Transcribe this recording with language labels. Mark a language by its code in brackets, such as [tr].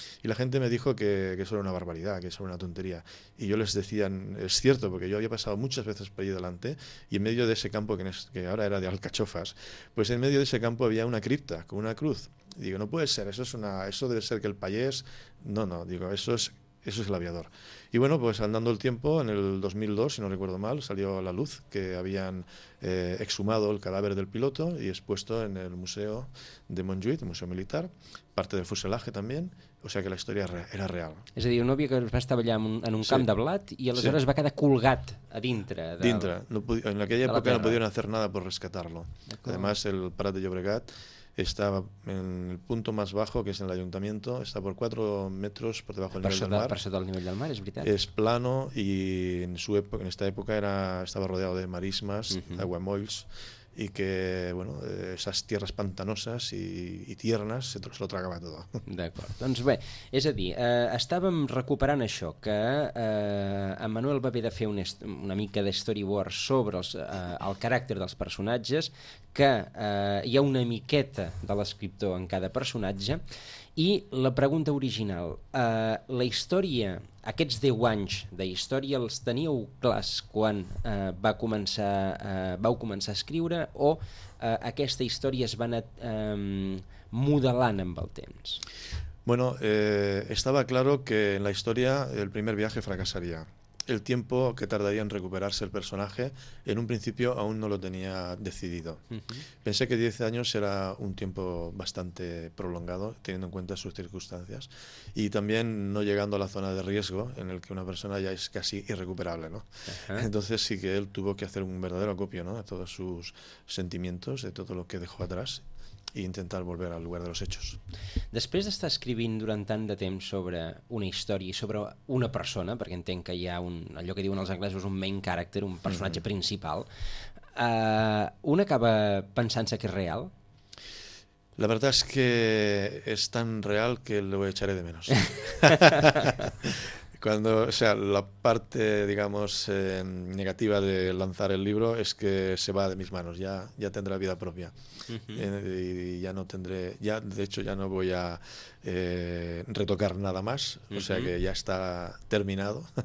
[es] Y la gente me dijo que eso era una barbaridad, que eso era una tontería. Y yo les decía, es cierto, porque yo había pasado muchas veces por ahí delante, y en medio de ese campo, que ahora era de alcachofas, pues en medio de ese campo había una cripta con una cruz. Y digo, no puede ser, eso debe ser que el payés... No, digo, eso es Eso es el aviador. Y bueno, pues andando el tiempo, en el 2002, si no recuerdo mal, salió a la luz que habían exhumado el cadáver del piloto y expuesto en el Museo de Montjuïc, el Museo Militar, parte del fuselaje también, o sea que la historia era real. [ca] És a dir, un òvio que va estar allà en un camp de blat i aleshores va quedar colgat a dintre. Dintre. En aquella època no podien [es] hacer nada por rescatarlo. Además, el Prat de Llobregat está en el punto más bajo, que es en el ayuntamiento, está por 4 metros por debajo del nivel del mar. [ca] Per sota del nivell del mar, és veritat. [es] Es plano y en esta época estaba rodeado de marismas, aguamolls, y que bueno, esas tierras pantanosas y tiernas se lo tragaba todo. [ca] D'acord. Doncs bé, és a dir, estàvem recuperant això, que en Manuel va haver de fer una mica de storyboard sobre el caràcter dels personatges, que hi ha una miqueta de l'escriptor en cada personatge, i la pregunta original, la història, aquests 10 anys de història, els teníeu clars quan vau començar a escriure, o aquesta història es va anar modelant amb el temps? [es] Bueno, estaba claro que en la historia el primer viaje fracasaría. El tiempo que tardaría en recuperarse el personaje, en un principio aún no lo tenía decidido. Pensé que 10 años era un tiempo bastante prolongado, teniendo en cuenta sus circunstancias, y también no llegando a la zona de riesgo, en el que una persona ya es casi irrecuperable, ¿no? Entonces sí que él tuvo que hacer un verdadero acopio, ¿no?, de todos sus sentimientos, de todo lo que dejó atrás, i intentar volver al lugar de los hechos. [ca] Després d'estar escrivint durant tant de temps sobre una història i sobre una persona, perquè entenc que hi ha allò que diuen els anglesos un main character, un personatge principal, un acaba pensant-se que és real? [es] La verdad es que es tan real que lo echaré de menos. Cuando, o sea, la parte, digamos, negativa de lanzar el libro es que se va de mis manos, ya tendrá vida propia. Y ya no tendré, ya de hecho ya no voy a retocar nada más, o sea que ya está terminado.